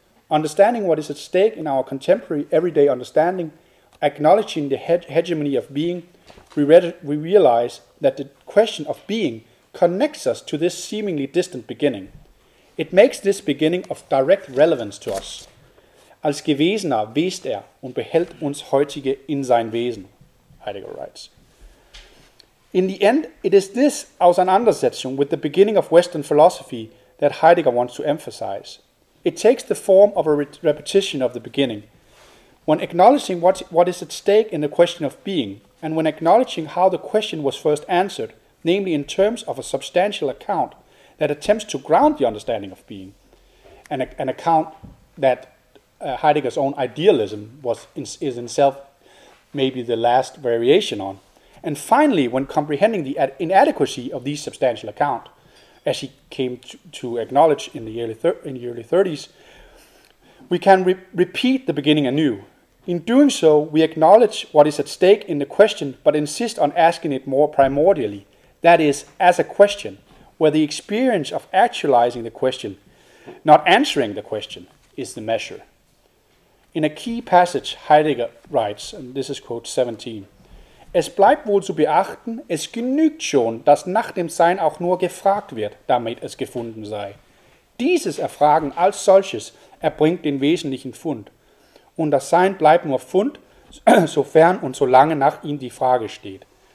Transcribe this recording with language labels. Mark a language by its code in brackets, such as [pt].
[en] Understanding what is at stake in our contemporary everyday understanding, acknowledging the hegemony of being, we realize that the question of being connects us to this seemingly distant beginning. It makes this beginning of direct relevance to us. [de] Als Gewesener wehst und behält uns heutige in sein Wesen, [en] Heidegger writes. In the end, it is this auseinandersetzung with the beginning of Western philosophy that Heidegger wants to emphasize. It takes the form of a repetition of the beginning. When acknowledging what is at stake in the question of being, and when acknowledging how the question was first answered, namely in terms of a substantial account that attempts to ground the understanding of being, an account that Heidegger's own idealism is itself maybe the last variation on. And finally, when comprehending the inadequacy of these substantial account, as he came to acknowledge in the early 30s, we can repeat the beginning anew. In doing so, we acknowledge what is at stake in the question, but insist on asking it more primordially, that is, as a question, where the experience of actualizing the question, not answering the question, is the measure. In a key passage, Heidegger writes, and this is quote 17, [de] Es bleibt wohl zu beachten, es genügt schon, dass nach dem Sein auch nur gefragt wird, damit es gefunden sei. Dieses Erfragen als solches erbringt den wesentlichen Fund. Und das Sein bleibt nur Fund, sofern und solange nach ihm die Frage steht.